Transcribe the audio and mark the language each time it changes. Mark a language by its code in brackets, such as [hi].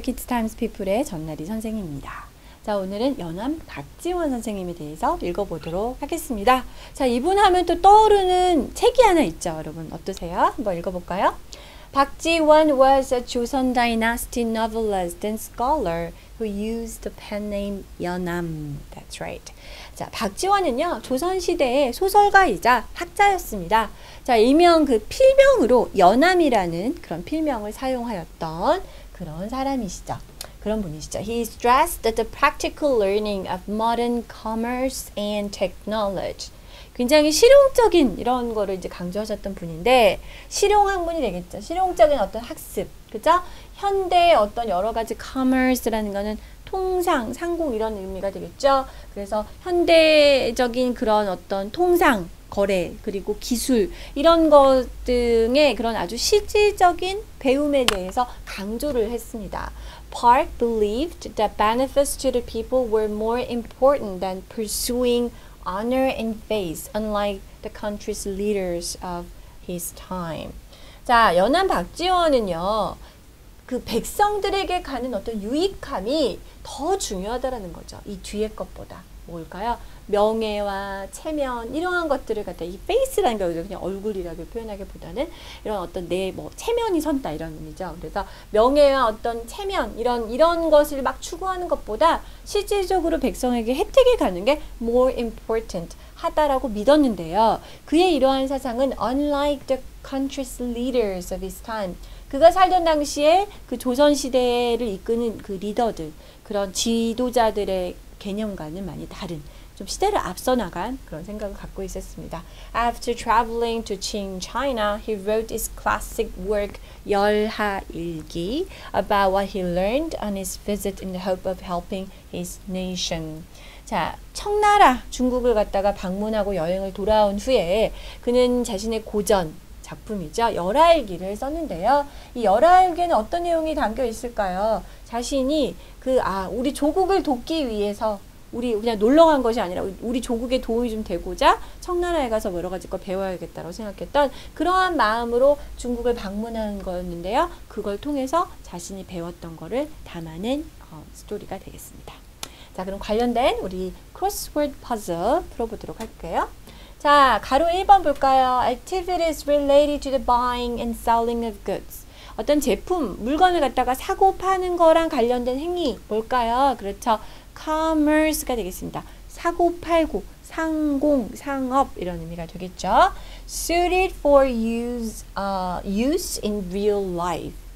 [ko] 키즈타임즈 피플의 전나리 선생님입니다. 자, 오늘은 연암 박지원 선생님에 대해서 읽어보도록 하겠습니다. 자, 이분 하면 또 떠오르는 책이 하나 있죠, 여러분. 어떠세요? 한번 읽어볼까요? [en] 박지원 was a Joseon dynasty novelist and scholar who used the pen name 연암. That's right. [ko] 자, 박지원은요, 조선시대의 소설가이자 학자였습니다. 자, 일명 그 필명으로 연암이라는 그런 필명을 사용하였던 그런 사람이시죠. 그런 분이시죠. [en] He stressed that the practical learning of modern commerce and technology. [ko] 굉장히 실용적인 이런 거를 이제 강조하셨던 분인데, 실용학문이 되겠죠. 실용적인 어떤 학습. 그죠? 현대의 어떤 여러 가지 commerce라는 거는 통상, 상공 이런 의미가 되겠죠. 그래서 현대적인 그런 어떤 통상, 거래, 그리고 기술 이런 것 등의 그런 아주 실질적인 배움에 대해서 강조를 했습니다. [en] Park believed that benefits to the people were more important than pursuing honor and face, unlike the country's leaders of his time. [ko] 자, 연암 박지원은요, 그 백성들에게 가는 어떤 유익함이 더 중요하다라는 거죠. 이 뒤에 것보다. 뭘까요? 명예와 체면, 이러한 것들을 갖다, 이 face라는 게 그냥 얼굴이라고 표현하기보다는 이런 어떤 내 뭐 체면이 선다, 이런 의미죠. 그래서 명예와 어떤 체면, 이런 것을 막 추구하는 것보다 실질적으로 백성에게 혜택이 가는 게 [en] more important [ko] 하다라고 믿었는데요. 그의 이러한 사상은 [en] unlike the country's leaders of his time. [ko] 그가 살던 당시에 그 조선시대를 이끄는 그 리더들, 그런 지도자들의 개념과는 많이 다른, 좀 시대를 앞서 나간 그런 생각을 갖고 있었습니다. [en] After traveling to Qing China, he wrote his classic work 열하일기 about what he learned on his visit in the hope of helping his nation. [ko] 자, 청나라 중국을 갔다가 방문하고 여행을 돌아온 후에 그는 자신의 고전 작품이죠. 열하일기를 썼는데요. 이 열하일기에는 어떤 내용이 담겨 있을까요? 자신이 우리 조국을 돕기 위해서 우리 그냥 놀러 간 것이 아니라 우리 조국에 도움이 좀 되고자 청나라에 가서 여러 가지 걸 배워야겠다고 생각했던 그러한 마음으로 중국을 방문한 거였는데요. 그걸 통해서 자신이 배웠던 거를 담아낸 스토리가 되겠습니다. 자, 그럼 관련된 우리 크로스워드 퍼즐 풀어보도록 할게요. 자, 가로 1번 볼까요? [en] Activities related to the buying and selling of goods. [ko] 어떤 제품, 물건을 갖다가 사고 파는 거랑 관련된 행위 뭘까요? 그렇죠. commerce가 되겠습니다. 사고 팔고, 상공, 상업 이런 의미가 되겠죠. [en] suited for use in real life.